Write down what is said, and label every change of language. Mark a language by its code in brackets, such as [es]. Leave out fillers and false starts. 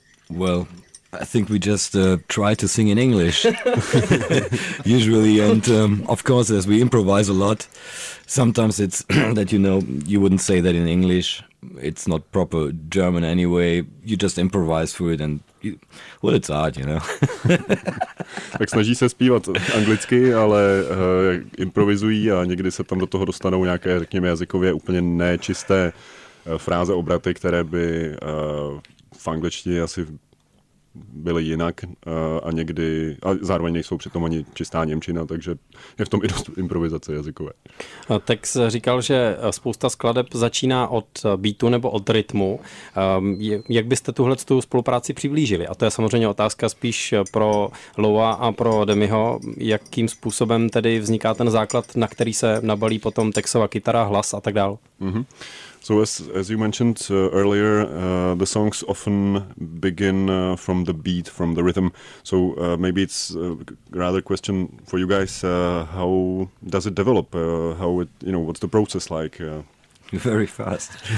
[en] Well, I think we just try to sing in English usually, and of course, as we improvise a lot, sometimes it's that, you know, you wouldn't say that in English. It's not proper German anyway. You just improvise through it and you, well, it's art, you know. [cs] Tak snaží se zpívat anglicky, ale improvizují a někdy se tam do toho dostanou nějaké, řekněme, jazykově úplně nečisté fráze, obraty, které by v angličtině asi byly jinak, a někdy, a zároveň nejsou přitom ani čistá němčina, takže je v tom i dost improvizace jazykové. Tak říkal, že spousta skladeb začíná od beatu nebo od rytmu. Jak byste tuhle tu spolupráci přiblížili? A to je samozřejmě otázka spíš pro Loa a pro Demiho. Jakým způsobem tedy vzniká ten základ, na který se nabalí potom Texova kytara, hlas a tak dál? Mhm. [en] So as you mentioned earlier, the songs often begin from the beat, from the rhythm. So maybe it's rather a question for you guys: how does it develop? How it, you know, what's the process like? Very fast.